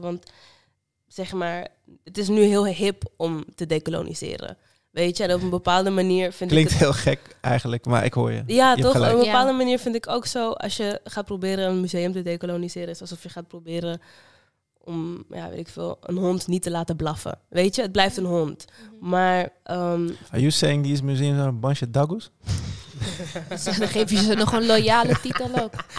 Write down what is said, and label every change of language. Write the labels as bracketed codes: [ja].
[nl] Want zeg maar, het is nu heel hip om te decoloniseren. Weet je, en op een bepaalde manier vind klinkt ik... Klinkt heel gek eigenlijk, maar ik hoor je. Ja, je toch? Op een bepaalde manier vind ik ook zo, als je gaat proberen een museum te decoloniseren, is alsof je gaat proberen om, ja, weet ik veel, een hond niet te laten blaffen. Weet je, het blijft een hond. Mm-hmm. Maar... [en] Are you saying these museums are a bunch of doggos? [nl] Dan geef je ze nog een loyale titel ook.